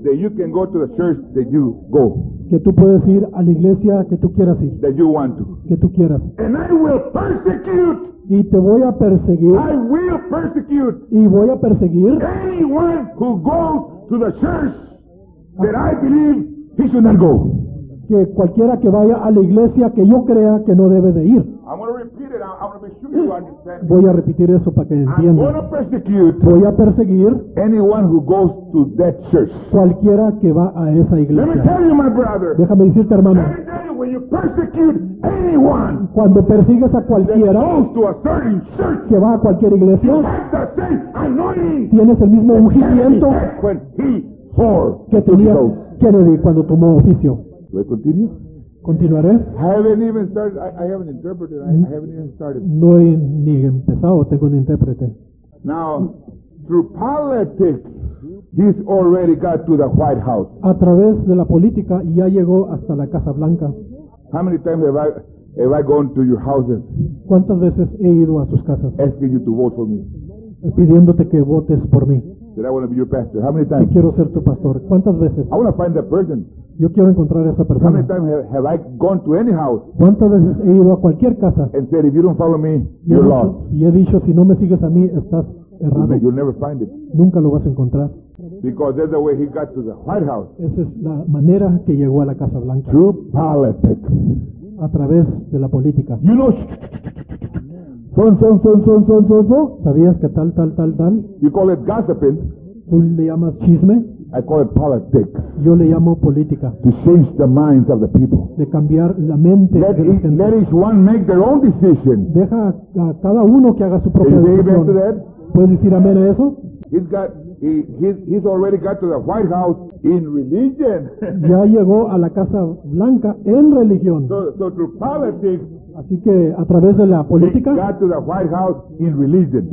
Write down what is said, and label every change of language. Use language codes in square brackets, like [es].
[en] That you can go to the church that you go. [es] Que tú puedes ir a la iglesia que tú quieras ir. [en] That you want to. [es] Que tú quieras. [en] And I will persecute. [es] Y te voy a perseguir. [en] I will persecute. [es] Y voy a perseguir. [en] Anyone who goes to the church that I believe he should not go. [es] Que cualquiera que vaya a la iglesia que yo crea que no debe de ir. [en] I'm going to repeat it. I'm going to be sure you understand. [es] Voy a repetir eso para que entiendan. [en] I'm going to persecute. [es] Voy a perseguir. [en] Anyone who goes to that church. [es] Cualquiera que va a esa iglesia. [en] Let me tell you, my brother. [es] Déjame decirte, hermano. [en] Let me tell you, when you persecute anyone. [es] Cuando persigues a cualquiera. [en] That goes to a certain church. [es] Que va a cualquier iglesia. [en] You have the same anointing. [es] Tienes el mismo ungimiento. [en] When he swore. [es] Que tenía Kennedy cuando tomó oficio. ¿Voy a continuar? Continuaré. [en] I haven't even started. [es] No he ni empezado, tengo un intérprete. [en] Now, through politics, he's already got to the White House. [es] A través de la política ya llegó hasta la Casa Blanca. [en] How many times have I gone to your houses? [es] ¿Cuántas veces he ido a sus casas? [en] Asking you to vote for me. [es] Pidiéndote que votes por mí. [en] That I want to be your pastor. How many times? [es] Que quiero ser tu pastor. ¿Cuántas veces? [en] I want to find that person. [es] Yo quiero encontrar a esa persona. [en] How many times have I gone to any house? [es] ¿Cuántas veces he ido a cualquier casa? [en] And said, if you don't follow me, you're lost. [es] Y he dicho, si no me sigues a mí, estás errado. [en] You'll never find it. [es] Nunca lo vas a encontrar. [en] Because that's the way he got to the White House. [es] Esa es la manera que llegó a la Casa Blanca. [en] Through politics. [es] A través de la política. [en] You know, so. [es] ¿Sabías que tal? [en] You call it gossiping. [es] ¿Tú le llamas chisme? [en] I call it politics. [es] Yo le llamo política. [en] To change the minds of the people. [es] De cambiar la mente [en] let [es] de la gente. [en] Let each one make their own decision. [es] Deja a cada uno que haga su propia decisión. ¿Puedes decir amén a eso? [en] He's already got to the White House in religion. [es] Ya llegó a la Casa Blanca en religión. [en] So through politics. [es] Así que a través de la política. [en] He got to the White House in religion.